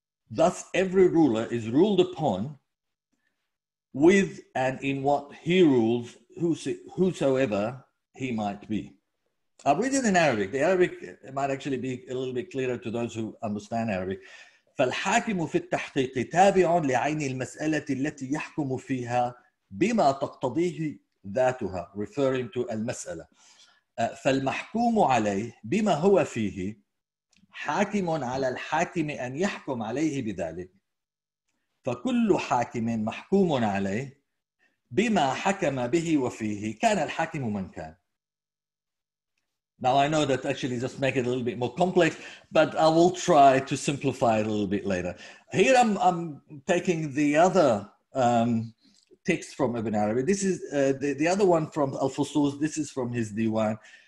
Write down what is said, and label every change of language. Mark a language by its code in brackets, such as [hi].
[en] Thus, every ruler is ruled upon with and in what he rules, whosoever he might be. I'll read it in Arabic. The Arabic might actually be a little bit clearer to those who understand Arabic. [ar] فَالْحَاكِمُ فِي التَّحْقِيقِ تَابِعٌ لِعَيْنِ الْمَسْأَلَةِ الَّتِي يَحْكُمُ فِيهَا بِمَا تَقْتَضِيهِ ذَاتُهَا, [en] referring to al-mas'ala. [ar] فالمحكوم عليه بما هو فيه حاكم على الحاكم أن يحكم عليه بذلك فكل حاكم محكوم عليه بما حكم به وفيه كان الحاكم من كان. [en] Now I know that actually just make it a little bit more complex, but I will try to simplify it a little bit later. Here I'm taking the other text from Ibn Arabi. This is the other one from Al-Fusul. This is from his Diwan.